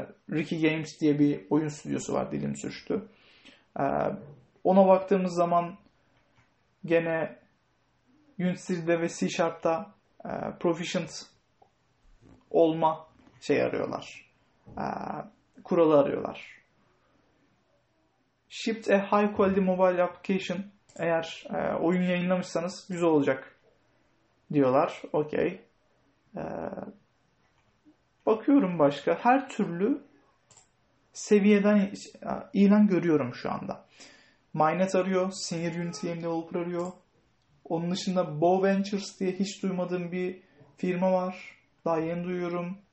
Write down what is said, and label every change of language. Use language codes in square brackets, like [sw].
[tr] Ricky Games diye bir oyun stüdyosu var. Dilim sürçtü. Ona baktığımız zaman gene Unity'de ve C#'da proficient olma şey arıyorlar. Kuralı arıyorlar. [en] Shipped a high quality mobile application. [tr] Eğer oyun yayınlamışsanız güzel olacak diyorlar. Okey. Bakıyorum başka. Her türlü seviyeden ilan görüyorum şu anda. Minet arıyor. Senior Unity Game Developer arıyor. Onun dışında Bow Ventures diye hiç duymadığım bir firma var. Daha yeni duyuyorum.